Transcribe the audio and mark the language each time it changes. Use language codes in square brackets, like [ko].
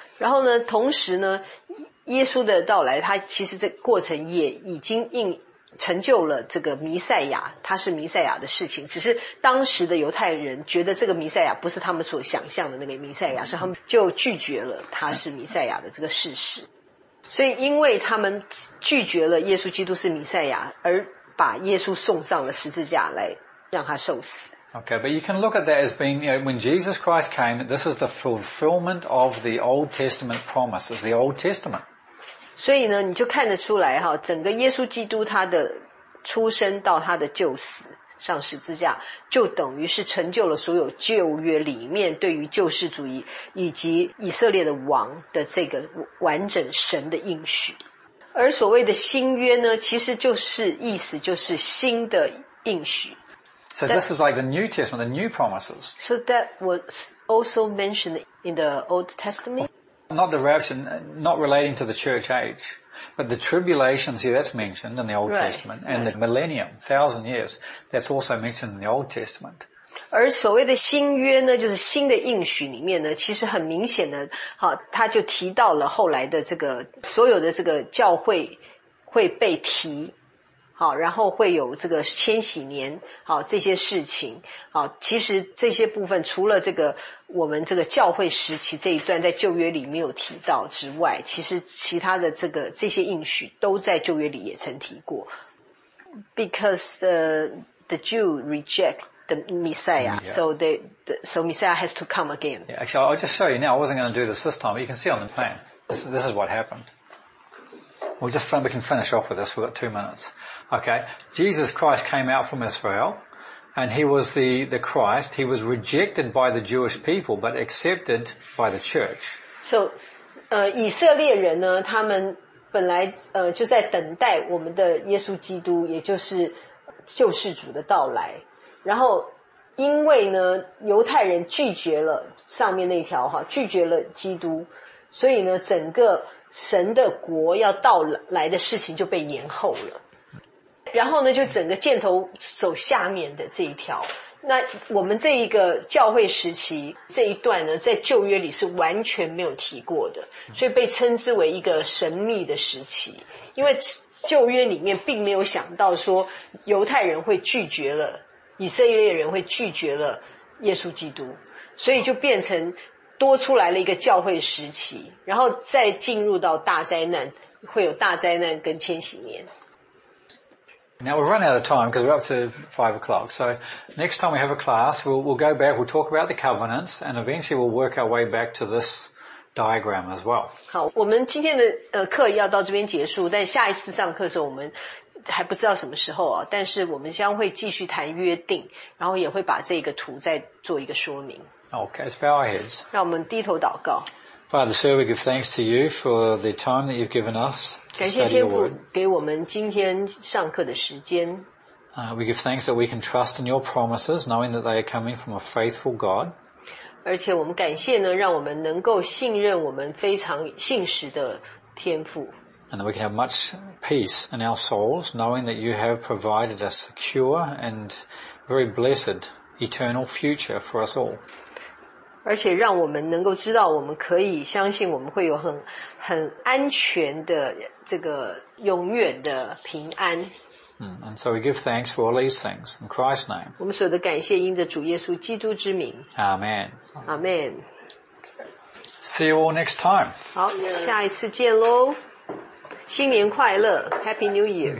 [zh] 然后呢同时呢耶稣的到来他其实这过程也已经成就了这个弥赛亚，他是弥赛亚的事情，只是当时的犹太人觉得这个弥赛亚不是他们所想象的那个弥赛亚，所以他们就拒绝了他是弥赛亚的这个事实。所以因为他们拒绝了耶稣基督是弥赛亚，而把耶稣送上了十字架来让他受死。 [en] Okay, but you can look at that as being, you know, when Jesus Christ came, this is the fulfillment of the Old Testament promises, the Old Testament. [zh] 所以呢你就看得出来哈，整个耶稣基督他的出生到他的救死上十字架，就等于是成就了所有旧约里面对于救世主以及以色列的王的这个完整神的应许。而所谓的新约呢，其实就是意思就是新的应许。 [en] So this is like the New Testament, the New Promises. So that was also mentioned in the Old Testament? Not the rapture, not relating to the church age, but the tribulation, see that's mentioned in the Old Testament, and the millennium, 1,000 years, that's also mentioned in the Old Testament. [zh] 而所谓的新约呢，就是新的应许里面呢，其实很明显的，好，他就提到了后来的这个，所有的这个教会会被提。好，然后会有这个千禧年，好，这些事情，好，其实这些部分除了这个我们这个教会时期这一段在旧约里没有提到之外，其实其他的这个这些应许都在旧约里也曾提过。 [en] Because the Jew reject the Messiah, so Messiah has to come again. Yeah, actually, I'll just show you now. I wasn't going to do this time, but you can see on the plan. This is what happened. We can finish off with this. We've got 2 minutes. Okay. Jesus Christ came out from Israel and he was the Christ. He was rejected by the Jewish people, but accepted by the church. [zh] So, 以色列人呢他们本来就在等待我们的耶稣基督，也就是救世主的到来。然后因为呢犹太人拒绝了上面那条哈，拒绝了基督，所以呢整个神的国要到来的事情就被延后了。然后呢就整个箭头走下面的这一条。那我们这一个教会时期这一段呢在旧约里是完全没有提过的。所以被称之为一个神秘的时期。因为旧约里面并没有想到说犹太人会拒绝了，以色列人会拒绝了耶稣基督。所以就变成多出来了一个教会时期，然后再进入到大灾难，会有大灾难跟千禧年。 [en] Now we've run out of time because we're up to 5 o'clock. So next time we have a class, we'll go back, we'll talk about the covenants, and eventually we'll work our way back to this diagram as well. [zh] 好，我们今天的课要到这边结束，但下一次上课的时候我们还不知道什么时候啊，但是我们将会继续谈约定，然后也会把这个图再做一个说明。 [en] Okay, let's bow our heads. [zh] 让我们低头祷告。 [en] Father, sir, we give thanks to you for the time that you've given us to study your word. [zh] 感谢天父给我们今天上课的时间。 [en] We give thanks that we can trust in your promises, knowing that they are coming from a faithful God. [zh] 而且我们感谢呢，让我们能够信任我们非常信实的天父。 [en] And that we can have much peace in our souls, knowing that you have provided a secure and very blessed eternal future for us all. [zh] 而且让我们能够知道我们可以相信我们会有很安全的这个永远的平安。 [en] And so we give thanks for all these things in Christ's name. [zh] 我们所有的感谢因着主耶稣基督之名。 [en] Amen. Amen. See you all next time. [zh] 好，下一次见咯。新年快乐。 [en] Happy New Year.